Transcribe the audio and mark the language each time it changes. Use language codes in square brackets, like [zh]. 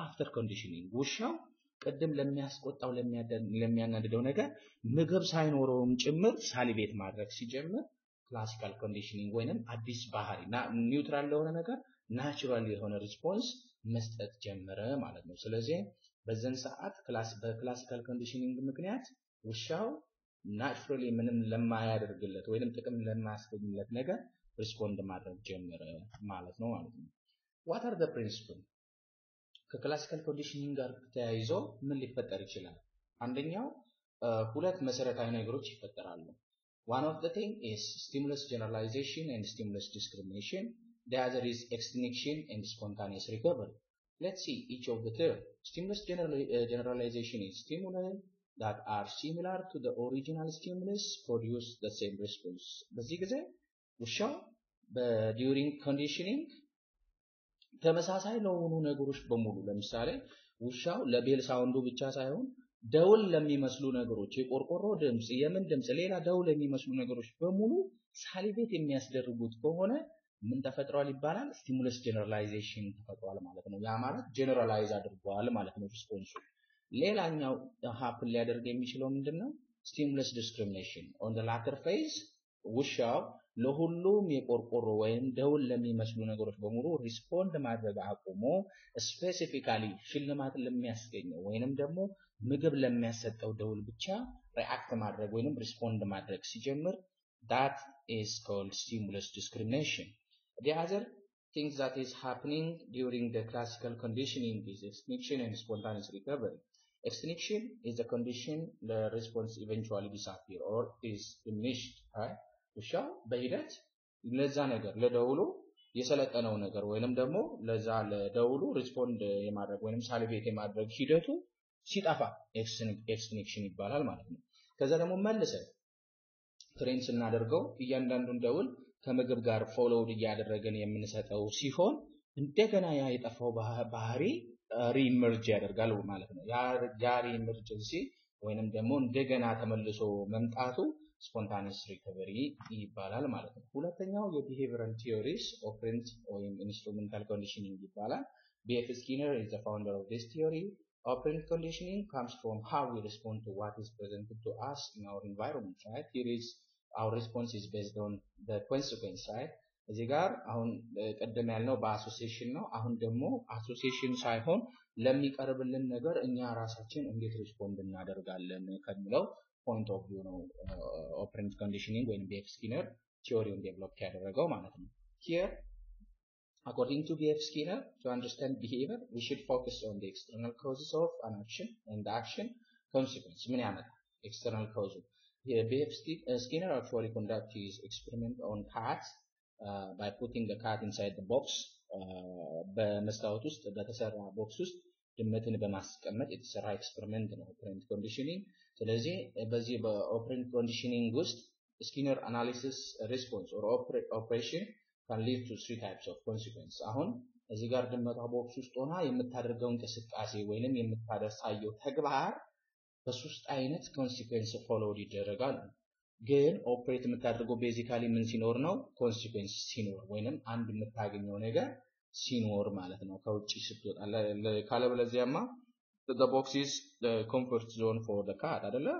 [am] አፍተር ኮንዲሽኒንግ ውሻው ቀደም ለሚያስቆጣው ለሚያናድደው ነገር ምግብ ሳይኖረውም ጭምር ሳሊቬት ማድረግ ሲጀምር ክላሲካል ኮንዲሽኒንግ ወይንም አዲስ ባህሪ ና ኒውትራል ለሆነ ነገር ናቹራል የሆነ ሪስፖንስ መስጠት ጀመረ ማለት ነው። ስለዚህ በዛን ሰዓት በክላሲካል ኮንዲሽኒንግ ምክንያት ውሻው ናቹራሊ ምንም ለማያደርግለት ወይንም ጥቅም ለማያስገኝለት ነገር ሪስፖንድ ማድረግ ጀመረ ማለት ነው ማለት ነው። [en] What are the principles? [am] ከክላሲካል ኮንዲሽኒንግ ጋር ተያይዞ ምን ሊፈጠር ይችላል? አንደኛው ሁለት መሰረታዊ ነገሮች ይፈጠራሉ። [en] One of the thing is stimulus generalization and stimulus discrimination. The other is extinction and spontaneous recovery. Let's see each of the term. Stimulus generalization is stimuli that are similar to the original stimulus produce the same response. [am] በዚህ ጊዜ ውሻው [en] during conditioning [am] ተመሳሳይ ለሆኑ ነገሮች በሙሉ ለምሳሌ ውሻው ለቤል ሳውንዱ ብቻ ሳይሆን ደውል ለሚመስሉ ነገሮች የቆርቆሮ ድምጽ የምን ድምጽ ሌላ ደውል ለሚመስሉ ነገሮች በሙሉ ሳሊቬት የሚያስደርጉት ከሆነ ምን ተፈጥሯል ይባላል? ስቲሙለስ ጀነራላይዜሽን ተፈጥሯል ማለት ነው። ያ ማለት ጀነራላይዝ አድርጓል ማለት ነው ሪስፖንሱ። ሌላኛው ሃፕን ሊያደርግ የሚችለው ምንድነው? ስቲሙለስ ዲስክሪሚኔሽን ኦን ዘ ላተር ፌዝ ውሻው ለሁሉም የቆርቆሮ ወይም ደውል ለሚመስሉ ነገሮች በሙሉ ሪስፖንድ ማድረግ አቆሞ ስፔሲፊካሊ ሽልማት ለሚያስገኘው ወይንም ደግሞ ምግብ ለሚያሰጠው ደውል ብቻ ሪአክት ማድረግ ወይንም ሪስፖንድ ማድረግ ሲጀምር [en] that is called stimulus discrimination. The other things that is happening during the classical conditioning is extinction and spontaneous recovery. Extinction is a condition the response eventually disappear or is diminished, right? [am] ውሻው በሂደት ለዛ ነገር ለደውሉ የሰለጠነው ነገር ወይንም ደግሞ ለዛ ለደውሉ ሪስፖንድ የማድረግ ወይንም ሳሊቬት የማድረግ ሂደቱ ሲጠፋ ኤክስቲንክሽን ይባላል ማለት ነው። ከዛ ደግሞ መልሰ ትሬንስ እናደርገው እያንዳንዱን ደውል ከምግብ ጋር ፎሎውድ ያደረገን የምንሰጠው ሲሆን እንደገና ያ የጠፋው ባህሪ ሪኢመርጅ ያደርጋል ማለት ነው። ያ ሪኢመርጀንሲ ወይንም ደግሞ እንደገና ተመልሶ መምጣቱ spontaneous recovery ይባላል ማለት ነው። ሁለተኛው የbehavioral theories of rent or instrumental conditioning ይባላል። [en] BF Skinner is the founder of this theory. Operant conditioning comes from how we respond to what is presented to us in our environment, right? Here is our response is based on the consequence side. [am] እዚህ ጋር አሁን ቀደም ያልነው በassociation ነው። አሁን ደግሞ association ሳይሆን ለሚቀርብልን ነገር እኛ ራሳችን እንዴት respond እናደርጋለን ከሚለው point of view ነው operant conditioning ወይንም BF Skinner theory on developed ያደረገው ማለት ነው። [en] Here according to BF Skinner to understand behavior we should focus on the external causes of an action and the action consequence. [am] ምን ያመጣል [en] external cause? BF Skinner actually conducted his experiment on cats by putting the cat inside the box [am] በመስታወት ውስጥ በተሰራ box ውስጥ ድመትን በማስቀመጥ የተሰራ ኤክስፐሪመንት ነው [en] operant conditioning። [am] ስለዚህ በዚህ በoperant conditioning ውስጥ [en] Skinner analysis response or operation can lead to three types of consequences. [am] አሁን እዚህ ጋር ድመቷ ቦክስ ውስጥ ሆና የምታደርገው እንቅስቃሴ ወይንም የምታደርሳየው ተግባር በሶስት አይነት consequences followed ይደረጋል። ግን operate የምታደርገው basically ምን ሲኖር ነው? consequence ሲኖር ወይንም አንድ የምታገኘው ነገር ሲኖር ማለት ነው። ከውጪ ስትወጣ ካለበለዚያማ [en] the box is the comfort zone for the cat [am] አይደለ?